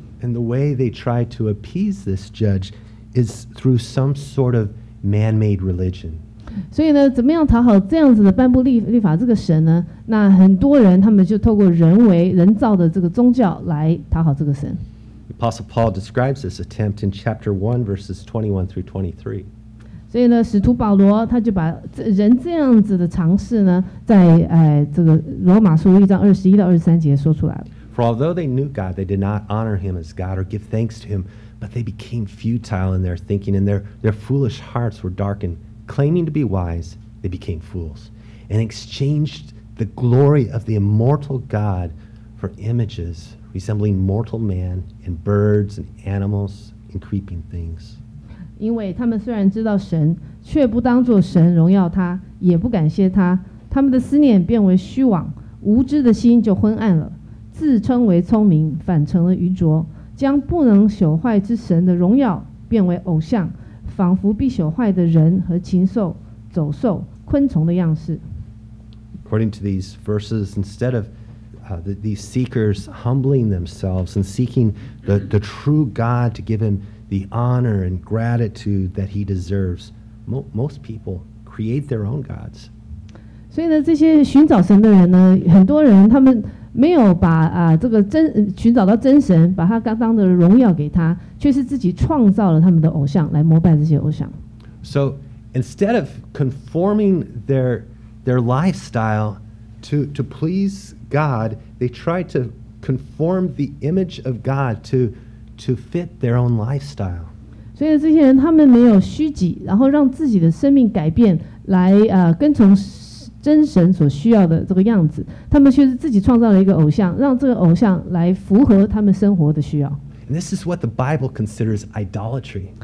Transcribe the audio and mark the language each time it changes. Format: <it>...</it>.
<en>And the way they try to appease this judge is through some sort of man-made religion.</en> <zh>所以呢，怎么样讨好这样子的颁布律法这个神呢？那很多人他们就透过人造的这个宗教来讨好这个神。</zh> <en>The Apostle Paul describes this attempt in chapter 1, verses 21 through 23.</en> <zh>所以呢，使徒保罗他就把人这样子的尝试呢，在这个罗马书一章21到23节说出来了。</zh> <en>For although they knew God, they did not honor him as God or give thanks to him, but they became futile in their thinking, and their foolish hearts were darkened. Claiming to be wise, they became fools, and exchanged the glory of the immortal God for images resembling mortal man and birds and animals and creeping things.</en> <zh>因为他们虽然知道神，却不当作神荣耀他，也不感谢他，他们的思念变为虚妄，无知的心就昏暗了。自称为聪明，反成了愚拙，将不能朽坏之神的荣耀变为偶像，仿佛必朽坏的人和禽兽、走兽、昆虫的样式。</zh> <en>According to these verses, instead of these seekers humbling themselves and seeking the true God to give him the honor and gratitude that he deserves, most people create their own gods.</en> <zh>所以呢，这些寻找神的人呢，很多人他们没有把这个寻找到真神，把他刚当的荣耀给他，却是自己创造了他们的偶像来膜拜这些偶像。</zh> <en>So instead of conforming their lifestyle to please God, they try to conform the image of God to fit their own lifestyle.</en> <zh>所以这些人他们没有虚己，然后让自己的生命改变来跟从真神所需要的这个样子，他们却是自己创造了一个偶像，让这个偶像来符合他们生活的需要。</zh> <en>And this is what the Bible considers idolatry.</en>